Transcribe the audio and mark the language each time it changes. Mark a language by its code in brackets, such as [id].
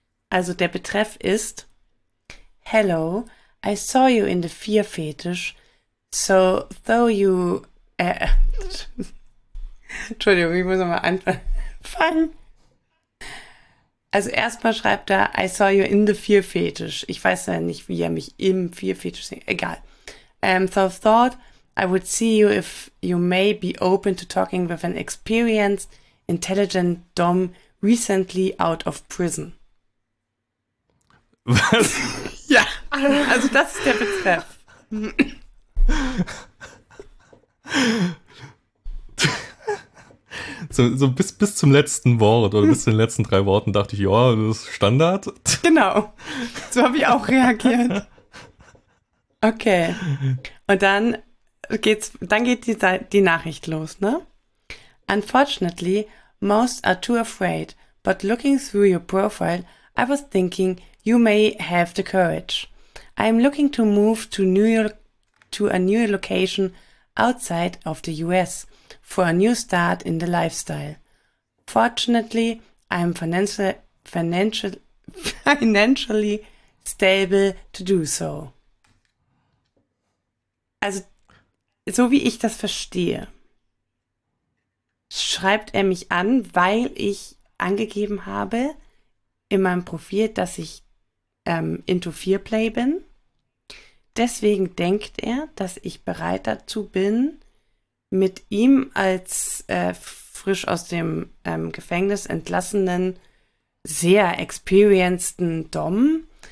[de] Also der Betreff ist: [en] Hello, I saw you in the fear fetish, so though you [de] Entschuldigung, ich muss nochmal anfangen. Also erstmal schreibt er, [en] I saw you in the fear fetish. [de] Ich weiß ja nicht, wie er mich im fear fetish sieht. Egal. [en] So thought I would see you if you may be open to talking with an experienced, intelligent Dom recently out of prison. [de] Was? Ja, also das ist der Betreff. So bis zum letzten Wort oder bis zu den letzten 3 Worten dachte ich, ja, das ist Standard. Genau, so habe ich auch reagiert. Okay, und dann geht die Nachricht los, ne? [en] Unfortunately, most are too afraid, but looking through your profile, I was thinking you may have the courage. I'm looking to move to a new location outside of the US for a new start in the lifestyle. Fortunately, I'm financially stable to do so. [de] Also, so wie ich das verstehe, schreibt er mich an, weil ich angegeben habe in meinem Profil, dass ich [en] into Fearplay [de] bin. Deswegen denkt er, dass ich bereit dazu bin, mit ihm als frisch aus dem Gefängnis entlassenen, sehr experienceden Dom